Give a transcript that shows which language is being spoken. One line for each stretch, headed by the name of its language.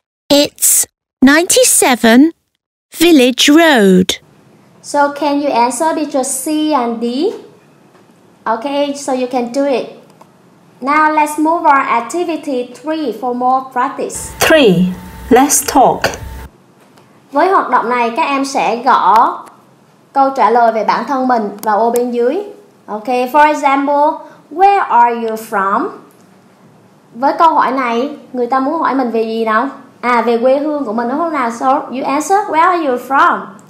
English: It's 97 Village Road. So can you answer picture C and D? Okay, so you can do it. Now let's move on activity 3 for more practice. 3. Let's talk.
Vietnamese: Với hoạt động này, các em sẽ gõ câu trả lời về bản thân mình vào ô bên dưới.
English: Okay, for example, where are you from?
Vietnamese: Với câu hỏi này, người ta muốn hỏi mình về gì nào? À, về quê hương của mình đúng không nào?
English: So you answer, where are you from?